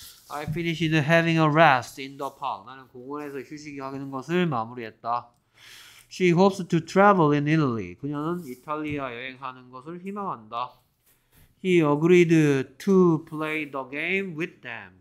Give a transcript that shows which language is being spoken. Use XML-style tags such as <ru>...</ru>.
<en>I finished having a rest in the park.</en> <ko>나는 공원에서 휴식이 하는 것을 마무리했다.</ko> <en>She hopes to travel in Italy.</en> <ko>그녀는 이탈리아 여행하는 것을 희망한다.</ko> <en>He agreed to play the game with them.</en>